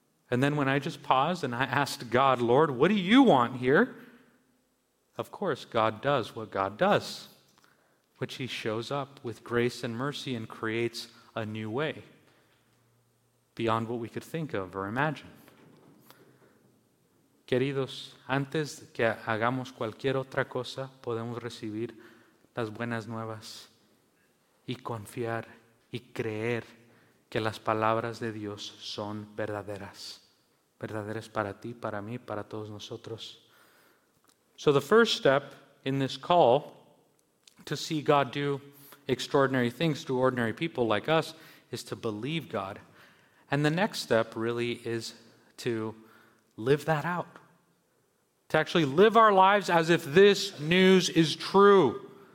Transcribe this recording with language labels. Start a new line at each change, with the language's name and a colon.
English: And then when I just paused and I asked God, Lord, what do you want here? Of course, God does what God does, which he shows up with grace and mercy and creates a new way beyond what we could think of or imagine.
Spanish: Queridos, antes que hagamos cualquier otra cosa, podemos recibir las buenas nuevas y confiar y creer que las palabras de Dios son verdaderas. Verdaderas para ti, para mí, para todos nosotros.
English: So the first step in this call to see God do extraordinary things to ordinary people like us is to believe God. And the next step really is to live that out. To actually live our lives as if this news is true.